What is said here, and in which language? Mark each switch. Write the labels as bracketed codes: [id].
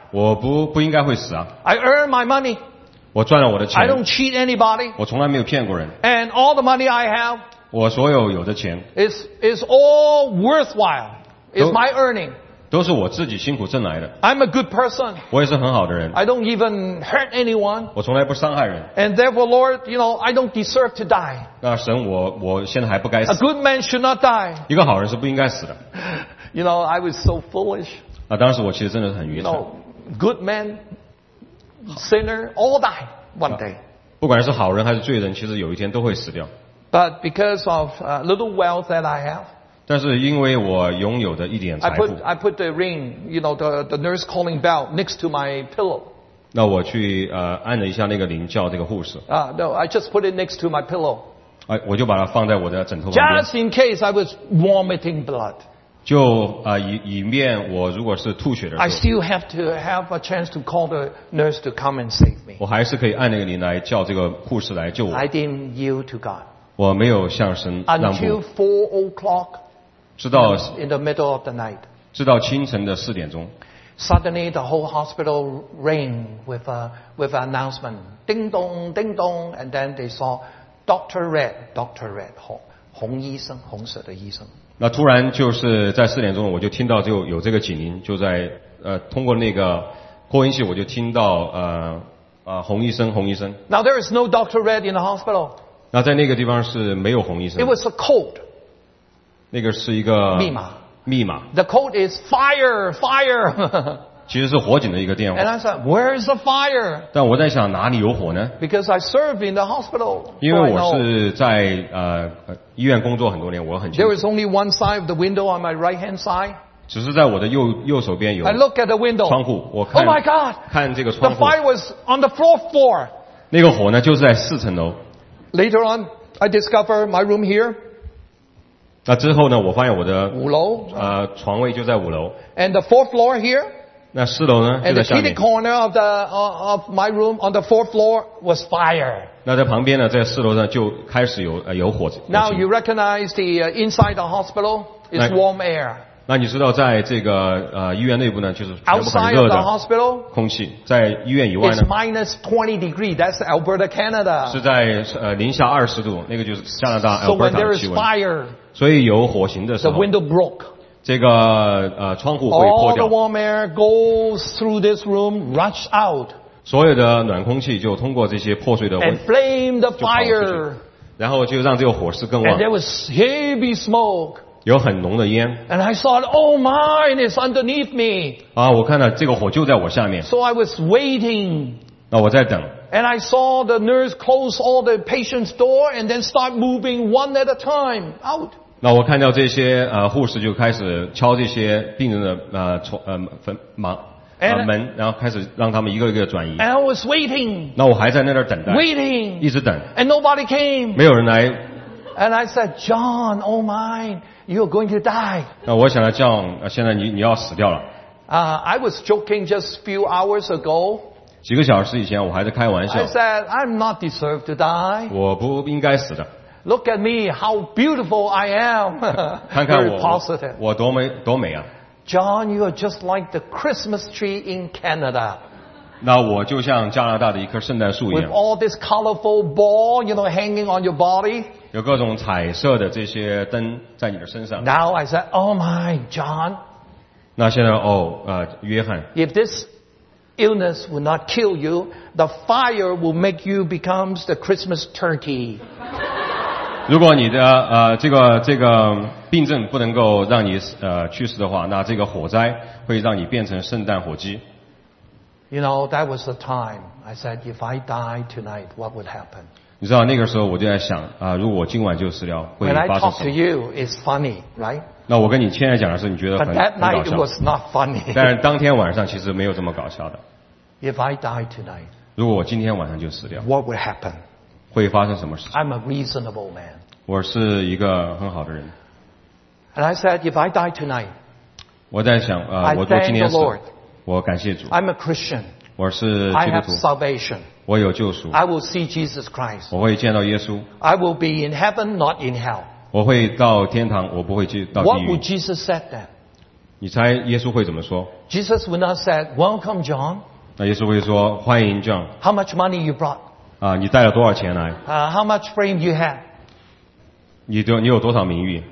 [zh] 我不应该会死啊。 [en] I earn my money. [zh] 我赚了我的钱。 [en] I don't cheat anybody. [zh] 我从来没有骗过人。 [en] And all the money I have. [zh] 我所有有的钱。 [en] Is all worthwhile. Is my earning. [zh] 都是我自己辛苦挣来的。 [en] I'm a good person. [zh] 我也是很好的人。 [en] I don't even hurt anyone. [zh] 我从来不伤害人。 [en] And therefore, Lord, you know, I don't deserve to die. [zh] 那神，我现在还不该死。 [en] A good man should not die. [zh] 一个好人是不应该死的。 [en] You know, I was so foolish. [zh] 那当时我其实真的很愚蠢。 [en] No, good man, sinner, all die one day. [zh] 不管是好人还是罪人，其实有一天都会死掉。 [en] But because of little wealth that I have. [zh] 但是因为我拥有的一点财富 [en] I put the ring, you know, the nurse calling bell next to my pillow. [zh] 那我去按了一下那个铃叫这个护士 [en] No, I just put it next to my pillow. [zh] 我就把它放在我的枕头旁边 [en] Just in case I was vomiting blood. [zh] 就以免我如果是吐血的时候 [en] I still have to have a chance to call the nurse to come and save me. [zh] 我还是可以按那个铃来叫这个护士来救我 [en] I didn't yield to God. [zh] 我没有向神让步 [en] Until 4 o'clock. In the middle of the night, [zh] 直到清晨的四点钟 [en] suddenly the whole hospital rang with an announcement, ding dong, ding dong, and then they saw Dr. Red, [zh] 红医生，红色的医生。那突然就是在四点钟，我就听到就有这个警铃，就在通过那个扩音器，我就听到红医生，红医生。 [en] Now there is no Dr. Red in the hospital. [zh] 那在那个地方是没有红医生。 [en] It was a code. [zh] 那个是一个密码。 [en] The code is fire. [zh] 其实是火警的一个电话。 [en] And I said, where is the fire? [zh] 但我在想哪里有火呢 [en] ？Because I served in the hospital. [zh] 因为我是在医院工作很多年，我很清楚。 [en] There is only one side of the window on my right hand side. [zh] 只是在我的右手边有。 [en] I look at the window. [zh] 窗户，我看。 [en] Oh my God! [zh] 看这个窗户。 [en] The fire was on the floor. [zh] 那个火呢，就是在四层楼。 [en] Later on, I discover my room here. [zh] 那之后呢？我发现我的五楼床位就在五楼。 [en] And the fourth floor here. [zh] 那四楼呢？就在下面。 [en] And the corner of the of my room on the fourth floor was fire. [zh] 那在旁边呢？在四楼呢就开始有火。 [en] Now you recognize the inside the hospital is warm air. [zh] 那你知道在这个医院内部呢，就是全部很热 [en] 的。Outside the hospital, [zh] 空气在医院以外呢 [en] ？It's minus 20 degrees. That's Alberta, Canada. [zh] 是在零下二十度，那个就是加拿大 Alberta 的气温。 [en] So when there is fire. [zh] 所以有火刑的时候 [en] The window broke. [zh] 这个窗户会破掉 [en] All the warm air goes through this room, rush out. [zh] 所有的暖空气就通过这些破碎的 [en] And flame the fire. [zh] 然后就让这个火势更旺 [en] And there was heavy smoke. [zh] 有很浓的烟 [en] And I thought, oh my, and it's underneath me. [zh] 我看到这个火就在我下面 [en] So I was waiting. [zh] 那我在等 [en] And I saw the nurse close all the patients' door and then start moving one at a time out. [zh] 那我看到这些护士就开始敲这些病人的门，然后开始让他们一个一个转移。 [en] And I was waiting. [zh] 那我还在那儿等待。 [en] Waiting. [zh] 一直等。 [en] And nobody came. [zh] 没有人来。 [en] And I said, John, oh my, you're going to die. [zh] 那我想到 John, 现在你要死掉了。 [en] I was joking just a few hours ago. [zh] 几个小时以前，我还在开玩笑。 [en] I said, I'm not deserved to die. [zh] 我不应该死的。 [en] Look at me, how beautiful I am. [zh] 看看我多美啊。 [en] John, you are just like the Christmas tree in Canada. [zh] 那我就像加拿大的一棵圣诞树一样。 [en] With all this colorful ball, you know, hanging on your body. [zh] 有各种彩色的这些灯在你的身上。 [en] Now I said, Oh my, John. [zh] 那现在约翰。 [en] If this illness will not kill you. The fire will make you become the Christmas turkey. [zh] 如果你的这个病症不能够让你去世的话，那这个火灾会让你变成圣诞火鸡。 [en] You know that was the time I said if I die tonight, what would happen? [zh] 你知道那个时候我就在想如果今晚就死掉会发生什么 [en] ？When I talk to you, it's funny, right? [zh] 那我跟你现在讲的是，你觉得很搞笑。 [en] But that night was not funny. [zh] 但是当天晚上其实没有这么搞笑的。 [en] If I die tonight, [zh] 如果我今天晚上就死掉 [en] ，What would happen? [zh] 会发生什么事 [en] ？I'm a reasonable man. [zh] 我是一个很好的人。 [en] And I said, if I die tonight, [zh] 我在想我说今天死，我感谢主。 [en] I'm a Christian. [zh] 我是基督徒。 [en] I have salvation. [zh] 我有救赎。 [en] I will see Jesus Christ. [zh] 我会见到耶稣。 [en] I will be in heaven, not in hell. [zh] 我会到天堂，我不会去到地狱。 [en] What would Jesus say then? [zh] 你猜耶稣会怎么说 [en] ？Jesus would not say, "Welcome, John." [zh] 那耶稣会说，欢迎 John。 [en] How much money you brought? [zh] 啊，你带了多少钱来 [en] ？How much fame you have? [zh] 你有多少名誉